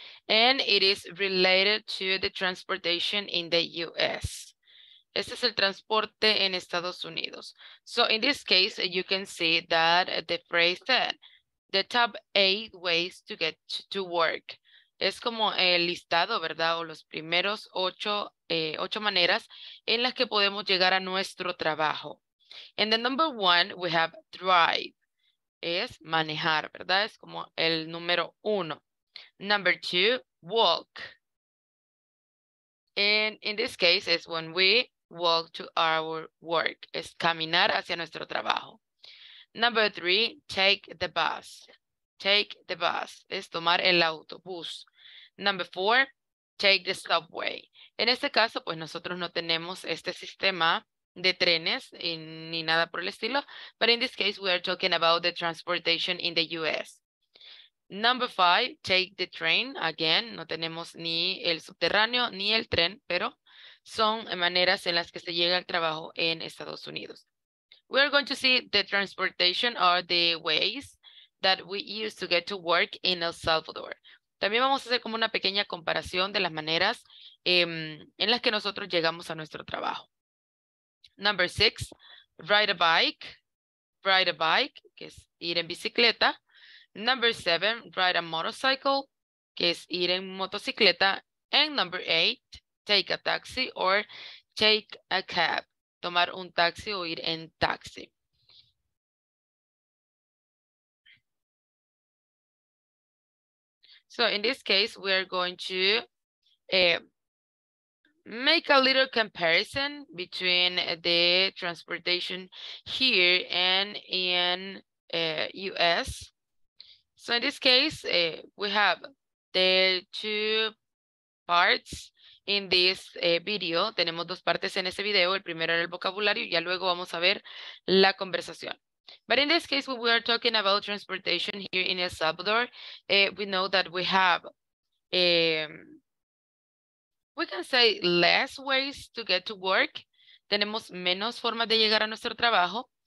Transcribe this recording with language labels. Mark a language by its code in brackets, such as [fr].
[en] And it is related to the transportation in the U.S. [es] Este es el transporte en Estados Unidos. [en] So in this case, you can see that the phrase that the top 8 ways to get to work. [es] Es como el listado, ¿verdad? O los primeros 8 maneras en las que podemos llegar a nuestro trabajo. [en] In the number 1, we have drive. [es] Es manejar, ¿verdad? Es como el número 1. [en] Number 2, walk. And in this case, it's when we walk to our work. [es] Es caminar hacia nuestro trabajo. [en] Number 3, take the bus. Take the bus. [es] Es tomar el autobús. [en] Number 4, take the subway. [es] En este caso, pues nosotros no tenemos este sistema de trenes ni nada por el estilo. [en] But in this case, we are talking about the transportation in the U.S. Number 5, take the train. [es] Again, no tenemos ni el subterráneo ni el tren, pero son maneras en las que se llega al trabajo en Estados Unidos. [en] We are going to see the transportation or the ways that we use to get to work in El Salvador. [es] También vamos a hacer como una pequeña comparación de las maneras en las que nosotros llegamos a nuestro trabajo. [en] Number 6, ride a bike. Ride a bike, [es] que es ir en bicicleta. [en] Number 7, ride a motorcycle, [es] que es ir en motocicleta. [en] And number 8, take a taxi or take a cab. [es] Tomar un taxi o ir en taxi. [en] So in this case, we are going to make a little comparison between the transportation here and in US. So in this case, we have the 2 parts. In this video, [es] tenemos 2 partes en este video. El primero era el vocabulario y ya luego vamos a ver la conversación. [en] But in this case, when we are talking about transportation here in El Salvador, we know that we have, we can say less ways to get to work. [es] Tenemos menos formas de llegar a nuestro trabajo.